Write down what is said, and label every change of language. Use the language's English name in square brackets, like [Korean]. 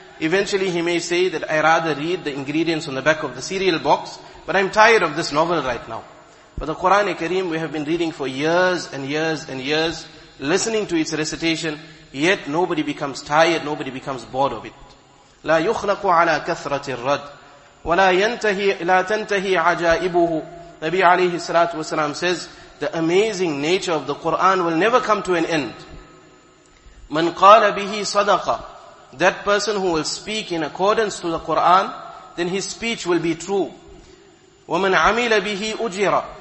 [English] Eventually he may say that I rather read the ingredients on the back of the cereal box, but I'm tired of this novel right now. But the Quran Kareem we have been reading for years and years and years, listening to its recitation, yet nobody becomes tired, nobody becomes bored of it. [Arabic] لا يخلق على كثرة الرد ولا ينتهي لا تنتهي عجائبه. [English] Nabi alayhi salatu wasalam says, the amazing nature of the Qur'an will never come to an end. [Arabic] مَنْ قَالَ بِهِ صَدَقَ. [English] That person who will speak in accordance to the Qur'an, then his speech will be true. [Arabic] وَمَنْ عَمِلَ بِهِ أُجِرَ.